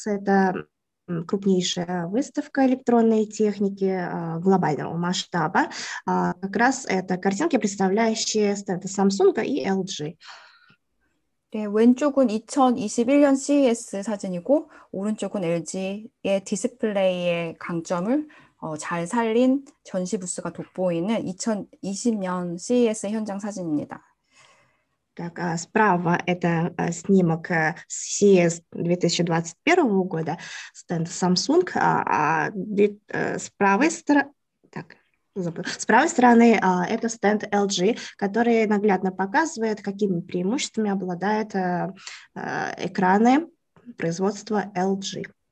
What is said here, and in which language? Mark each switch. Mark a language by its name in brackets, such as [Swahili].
[Russian] Это крупнейшая выставка электронной техники глобального масштаба. Как раз это картинки, представляющие стенды Samsung и LG. [Korean] 네, 왼쪽은 2021년 CES 사진이고, 오른쪽은 LG의 디스플레이의 강점을 잘 살린 전시 부스가 돋보이는 2020년 CES 현장 사진입니다. [Russian] Так, справа это снимок CES 2021 года, стенд Samsung, а с правой стороны, так, С правой стороны это стенд LG, который наглядно показывает, какими преимуществами обладают экраны производства LG.